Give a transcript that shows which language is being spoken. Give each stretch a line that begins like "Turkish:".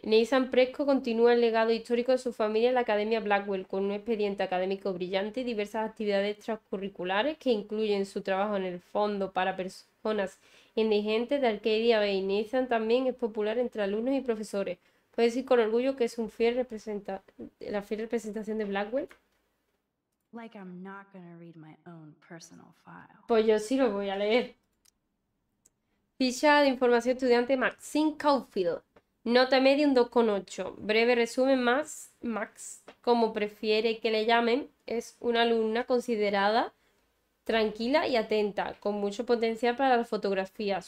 Spanish: Nathan Prescott continúa el legado histórico de su familia en la Academia Blackwell con un expediente académico brillante y diversas actividades extracurriculares que incluyen su trabajo en el Fondo para Personas Indigentes de Arcadia Bay. Nathan también es popular entre alumnos y profesores. ¿Puede decir con orgullo que es un fiel la fiel representación de Blackwell?
English: Like I'm not gonna read my own personal file.
Spanish: Pues yo sí lo voy a leer. Ficha de información estudiante Maxine Caulfield. Nota media, un 2,8. Breve resumen, Max, como prefiere que le llamen, es una alumna considerada tranquila y atenta, con mucho potencial para la fotografía.